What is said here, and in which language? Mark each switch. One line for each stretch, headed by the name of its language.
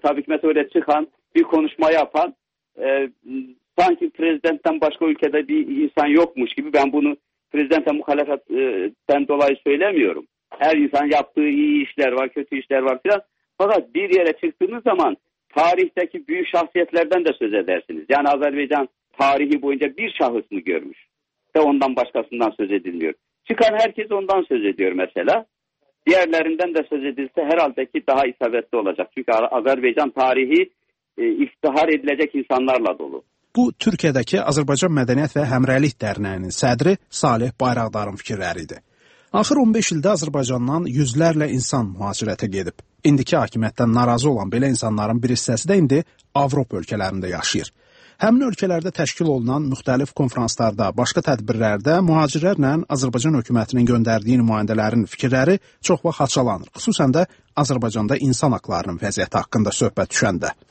Turkish: Tabii ki məsələn oraya çıxan, bir konuşma yapan sanki
Azerbaijani: prezidentdən başqa ölkədə
Turkish: bir insan yokmuş gibi. Ben bunu
Azerbaijani: prezidentə müxalifətdən
Turkish: dolayı söyləmiyorum. Her insan yaptığı iyi işler var, kötü işler var filan. Fakat bir yere çıktığınız zaman tarihteki büyük şahsiyetlerden de söz edersiniz. Yani Azerbaycan tarihi boyunca bir şahıs mı görmüş? Ve ondan başkasından söz edilmiyor. Çıkan herkes ondan söz ediyor mesela. Diğerlerinden de söz edilse herhalde ki daha isabetli olacak. Çünkü Azerbaycan tarihi iftihar edilecek insanlarla dolu.
Azerbaijani: Bu, Türkiye'deki Azerbaycan Mədəniyyət və Həmrəylik Dərnəyinin sədri Salih Bayraqdarın fikirləri idi. Axır 15 ildə Azərbaycandan yüzlərlə insan mühacirətə gedib. İndiki hakimiyyətdən narazı olan belə insanların bir hissəsi də indi Avropa ölkələrində yaşayır. Həmin ölkələrdə təşkil olunan müxtəlif konferanslarda, başqa tədbirlərdə mühacirlərlə Azərbaycan hökumətinin göndərdiyi nümayəndələrin fikirləri çox vaxt haçalanır, xüsusən də Azərbaycanda insan haqlarının vəziyyəti haqqında söhbət düşəndə.